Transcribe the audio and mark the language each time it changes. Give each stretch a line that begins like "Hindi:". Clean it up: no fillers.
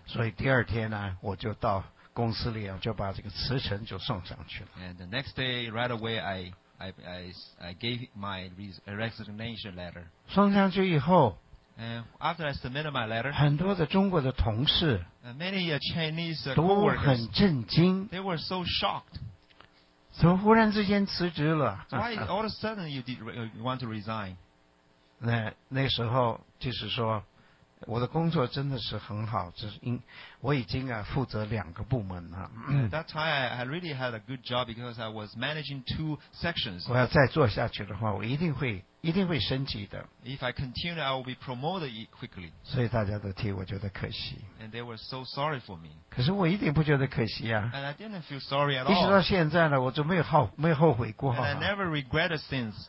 Chinese: 所以第二天呢,我就到公司里,就把这个辞呈就送上去了。
English: And the next day, right away, I gave my resignation letter.
Chinese: 送上去以后,
English: And after I submitted my letter,
Chinese: 很多的中国的同事,
English: many Chinese coworkers, they were so shocked.
Chinese: 怎么忽然之间辞职了?
English: Why all of a sudden you want to resign?
Chinese: 那时候就是说, 我的工作真的是很好, 我已经负责两个部门了。
English: At that time, I really had a good job because I was managing two sections.
Chinese: 我要再做下去的话, 我一定会升级的。
English: If I continue, I will be promoted quickly.
Chinese: 所以大家都替我觉得可惜。
English: And they were so sorry for me.
Chinese: 可是我一点不觉得可惜啊。
English: And I didn't feel sorry at all.
Chinese: 一直到现在呢, 我就没有后悔过。
English: And I never regretted since.